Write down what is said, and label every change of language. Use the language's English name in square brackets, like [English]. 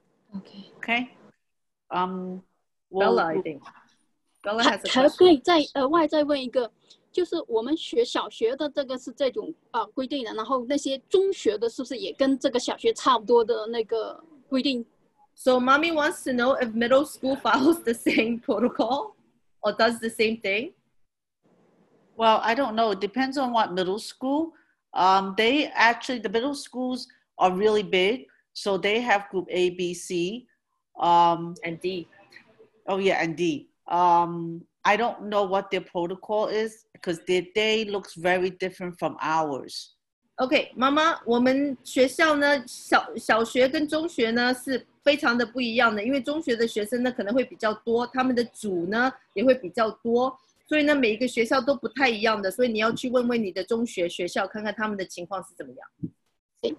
[English] OK Bella, I think Bella has a question. [Chinese] 可以再外再问一个，就是我们学小学的这个是这种规定的，然后那些中学的是不是也跟这个小学差不多的那个规定？ [English] So mommy wants to know if middle school follows the same protocol or does the same thing? Well, I don't know. It depends on what middle school. They actually, the middle schools are really big. So they have group A, B, C. And D. Oh yeah, and D. I don't know what their protocol is because their day looks very different from ours. [Chinese] Okay, 妈妈，我们学校呢，小学跟中学呢是非常的不一样的，因为中学的学生呢可能会比较多，他们的组呢也会比较多。所以呢，每一个学校都不太一样的，所以你要去问问你的中学学校，看看他们的情况是怎么样。